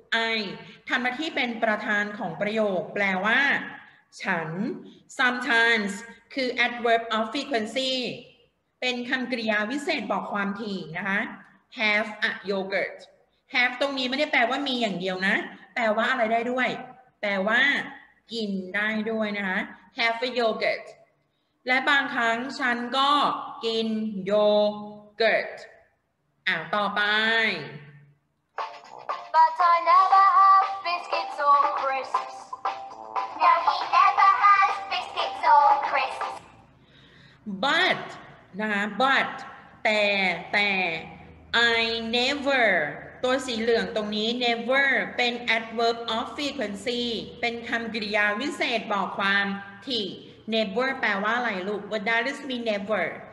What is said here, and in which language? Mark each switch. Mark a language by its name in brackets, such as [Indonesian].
[Thai] I ทำหน้าที่เป็นประธานของประโยคแปลว่าฉัน sometimes คือ adverb of frequency เป็นคำกริยาวิเศษบอกความถี่นะคะ [English] have a yogurt [Thai] have ตรงนี้ไม่ได้แปลว่ามีอย่างเดียวนะแปลว่าอะไรได้ด้วยแปลว่ากินได้ด้วยนะคะ have a yogurt และบางครั้งฉันก็กินโยเกิร์ตต่อไป [English] But I never have biscuits or crisps. No, he never has biscuits or crisps. [Thai] But, นะ but, แต่ I never, ตัวสีเหลืองตรงนี้ never เป็น adverb of frequency เป็นคำกริยาวิเศษบอกความที่ never แปลว่าอะไรลูก [English] What does mean never?